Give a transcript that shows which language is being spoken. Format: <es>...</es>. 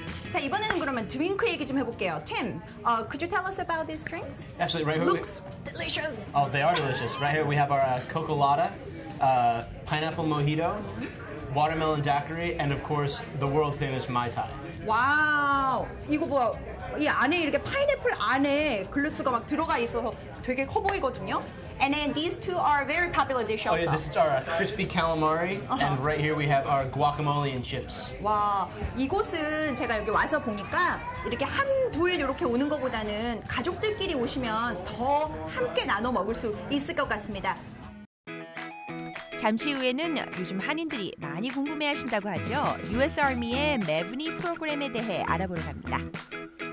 <ko>자, 이번에는 그러면 드링크 얘기 좀 해볼게요.</ko> <en>Tim, could you tell us about these drinks? Absolutely, right here. Looks delicious. Oh, they are delicious. Right here we have our Coca-Lata, pineapple mojito, watermelon daiquiri, and of course, the world famous Mai Tai.</en> <ko>와우, 이거 뭐, 이 안에 이렇게 파인애플 안에 글루스가 막 들어가 있어서 되게 커 보이거든요.</ko> <en>And then these two are very popular dish also. Oh yeah, this is our crispy calamari, and right here we have our guacamole and chips.</en> <ko>와, 이곳은 제가 여기 와서 보니까 이렇게 한, 둘 이렇게 오는 것보다는 가족들끼리 오시면 더 함께 나눠 먹을 수 있을 것 같습니다. 잠시 후에는 요즘 한인들이 많이 궁금해하신다고 하죠. US Army의 매부니 프로그램에 대해 알아보러 갑니다.</ko>